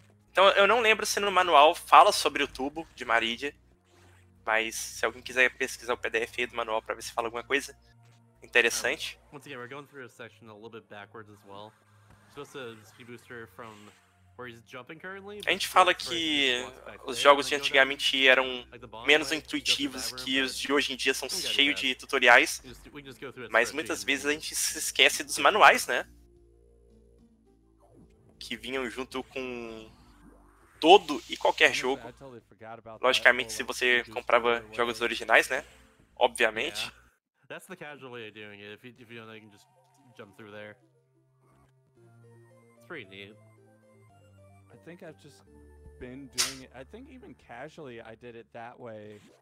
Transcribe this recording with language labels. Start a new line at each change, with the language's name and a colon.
Portuguese: Então, eu não lembro se no manual fala sobre o tubo de Maridia. Mas, se alguém quiser pesquisar o PDF aí do manual pra ver se fala alguma coisa interessante.
English: Once again, we're going through a section a little bit backwards as well. Supposed to speed booster from where he's jumping currently.
Portuguese: A gente fala que os jogos de antigamente eram menos intuitivos que os de hoje em dia são cheios de tutoriais. Mas muitas vezes a gente se esquece dos manuais, né? Que vinham junto com todo e qualquer jogo. Logicamente, se você comprava jogos originais, né? Obviamente.
English: That's the casual way of doing it. If you don't know, you can just jump through there. It's pretty neat. I think I've just been doing it. I think even casually I did it that way.